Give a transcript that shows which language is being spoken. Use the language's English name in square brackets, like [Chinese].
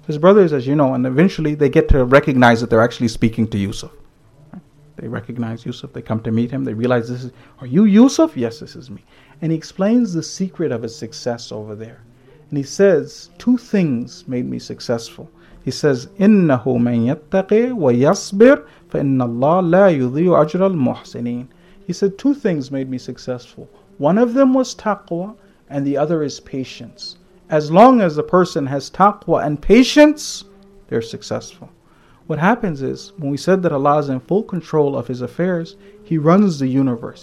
[English] His brothers, as you know, and eventually they get to recognize that they're actually speaking to Yusuf. They recognize Yusuf, they come to meet him, they realize this is, are you Yusuf? Yes, this is me. And he explains the secret of his success over there. And he says, two things made me successful. [Arabic] He says, إِنَّهُ مَنْ يَتَّقِي وَيَصْبِرْ فَإِنَّ اللَّهَ لَا يُضِيُّ أَجْرَ الْمُحْسِنِينَ. [English] He said, two things made me successful. One of them was taqwa, and the other is patience. As long as the person has taqwa and patience, they're successful. What happens is, when we said that Allah is in full control of his affairs, he runs the universe.